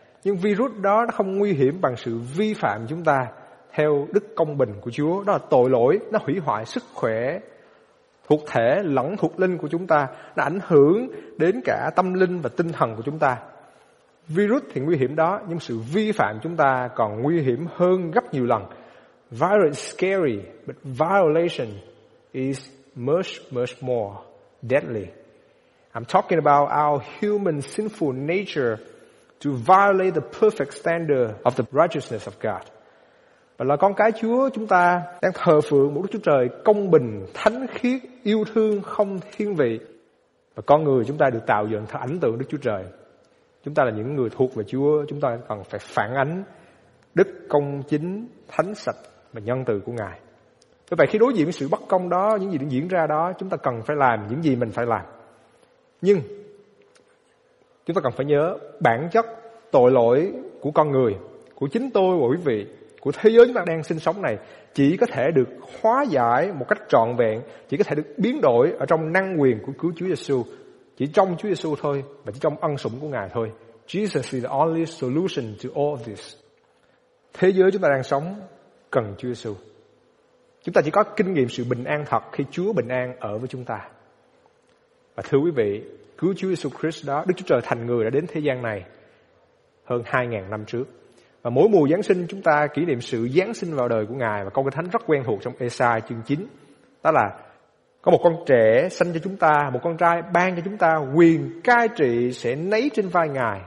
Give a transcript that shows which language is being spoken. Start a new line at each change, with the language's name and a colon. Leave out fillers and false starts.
Vietnamese: Nhưng virus đó nó không nguy hiểm bằng sự vi phạm chúng ta theo đức công bình của Chúa. Đó là tội lỗi, nó hủy hoại sức khỏe thuộc thể lẫn thuộc linh của chúng ta. Nó ảnh hưởng đến cả tâm linh và tinh thần của chúng ta. Virus thì nguy hiểm đó, nhưng sự vi phạm chúng ta còn nguy hiểm hơn gấp nhiều lần.
English: Virus is scary, but violation is much, much more deadly. I'm talking about our human sinful nature to violate the perfect standard of the righteousness of God.
Vietnamese: Và là con cái Chúa, chúng ta đang thờ phượng một Đức Chúa Trời công bình, thánh khiết, yêu thương, không thiên vị. Và con người chúng ta được tạo dựng theo ảnh tượng Đức Chúa Trời. Chúng ta là những người thuộc về Chúa, chúng ta cần phải phản ánh đức công chính, thánh sạch và nhân từ của Ngài. Vì vậy khi đối diện với sự bất công đó, những gì đang diễn ra đó, chúng ta cần phải làm những gì mình phải làm. Nhưng chúng ta cần phải nhớ bản chất tội lỗi của con người, của chính tôi và quý vị, của thế giới chúng ta đang sinh sống này chỉ có thể được hóa giải một cách trọn vẹn, chỉ có thể được biến đổi ở trong năng quyền của cứu Chúa Giê-xu, chỉ trong Chúa Giê-xu thôi và chỉ trong ân sủng của Ngài thôi.
English: Jesus is the only solution to all of this.
Vietnamese: Thế giới chúng ta đang sống cần Chúa Giê-xu. Chúng ta chỉ có kinh nghiệm sự bình an thật khi Chúa bình an ở với chúng ta. Và thưa quý vị, cứu Chúa Jesus Christ đó, Đức Chúa Trời thành người đã đến thế gian này hơn 2.000 năm trước. Và mỗi mùa Giáng sinh chúng ta kỷ niệm sự Giáng sinh vào đời của Ngài. Và câu kinh thánh rất quen thuộc trong Esai chương 9, đó là có một con trẻ sanh cho chúng ta, một con trai ban cho chúng ta, quyền cai trị sẽ nấy trên vai Ngài.